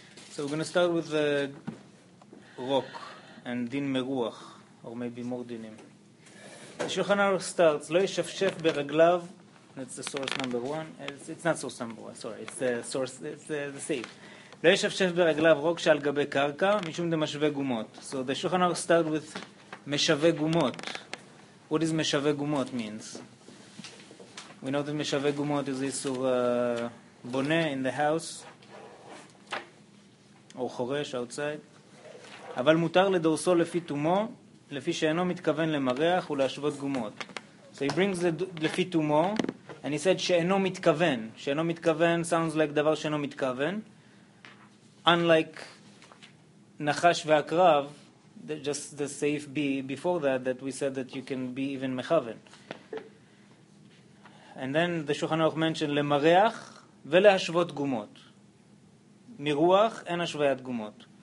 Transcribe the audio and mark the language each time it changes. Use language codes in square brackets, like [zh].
[en] So we're gonna start with the Rok and Din Meruach, or maybe more Dinim. The Shulchan Aruch starts, Lo Yishafshef Beraglav. That's the source number one. It's not source number one, sorry. It's the source, it's the Seif. [he] לא ישפשף ברגליו רוק שעל גבי קרקע, משום דמשווה גומות. [en] So the Shulchan Aruch started with משווה גומות. What does משווה גומות means? We know that משווה גומות is איסור בונה in the house, or חורש outside. [he] אבל מותר לדורסו לפי תומו, לפי שאינו מתכוון למרח ולהשוות גומות. [en] So he brings the לפי תומו, and he said שאינו מתכוון. שאינו מתכוון sounds like דבר שאינו מתכוון. Unlike Nachash Ve'akrav, just the Seif B before that, that we said that you can be even Mechaven. And then the Shulchan Aruch mentioned Lemareach Ve'lehashvot Gumot. Miruach and Hashvayat Gumot.